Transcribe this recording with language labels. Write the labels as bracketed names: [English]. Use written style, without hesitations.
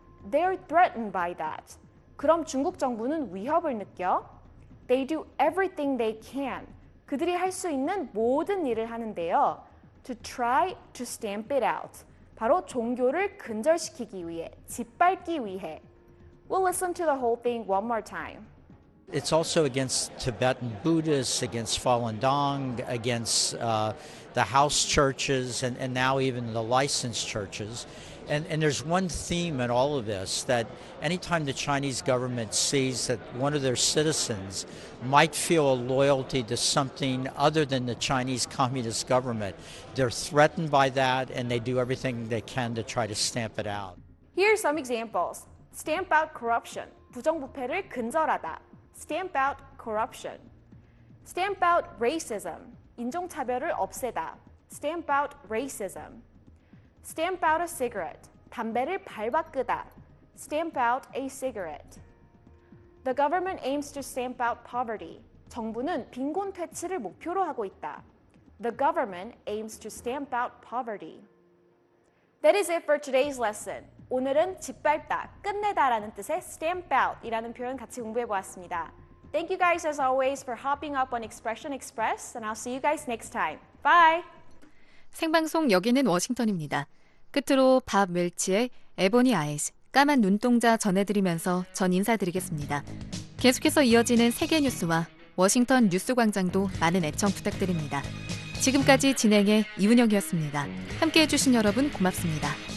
[English] They're threatened by that. [Korean] 그럼 중국 정부는 위협을 느껴? [English] They do everything they can. [Korean] 그들이 할 수 있는 모든 일을 하는데요. [English] To try to stamp it out. [Korean] 바로 종교를 근절시키기 위해, 짓밟기 위해. [English] We'll listen to the whole thing one more time. It's also against Tibetan Buddhists, against Falun Dong, against the house churches, and now even the licensed churches. And there's one theme in all of this, that anytime the Chinese government sees that one of their citizens might feel a loyalty to something other than the Chinese communist government, they're threatened by that, and they do everything they can to try to stamp it out. Here are some examples. Stamp out corruption. [Korean] 부정부패를 근절하다. [English] Stamp out corruption. Stamp out racism. [Korean] 인종차별을 없애다. [English] Stamp out racism. Stamp out a cigarette. [Korean] 담배를 밟아 끄다. [English] Stamp out a cigarette. The government aims to stamp out poverty. [Korean] 정부는 빈곤 퇴치를 목표로 하고 있다. [English] The government aims to stamp out poverty. That is it for today's lesson. [Korean] 오늘은 짓밟다, 끝내다라는 뜻의 [English] stamp out [Korean] 이라는 표현 같이 공부해보았습니다. [English] Thank you guys as always for hopping up on Expression Express and I'll see you guys next time. Bye! [Korean] 생방송 여기는 워싱턴입니다. 끝으로 밥 멜치의 에보니 아이즈, 까만 눈동자 전해드리면서 전 인사드리겠습니다. 계속해서 이어지는 세계 뉴스와 워싱턴 뉴스 광장도 많은 애청 부탁드립니다. 지금까지 진행의 이은영이었습니다. 함께해 주신 여러분 고맙습니다.